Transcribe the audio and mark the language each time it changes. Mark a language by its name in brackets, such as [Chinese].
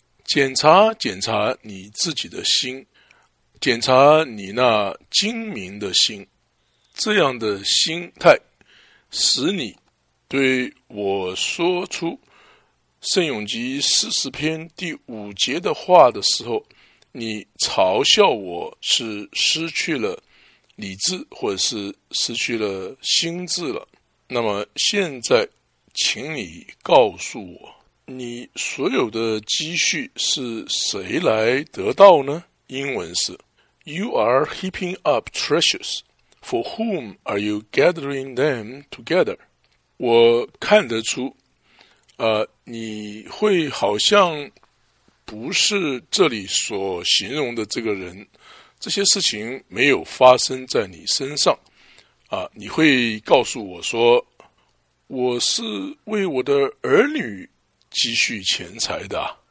[Chinese] 检查检查你自己的心，检查你那精明的心，这样的心态使你对我说出圣咏集40篇第五节的话的时候，你嘲笑我是失去了理智，或者是失去了心智了。那么现在请你告诉我，你所有的积蓄是谁来得到呢？英文是 [English] You are heaping up treasures. For whom are you gathering them together? [Chinese] 我看得出你会好像不是这里所形容的这个人，这些事情没有发生在你身上啊！你会告诉我说，我是为我的儿女积蓄钱财的。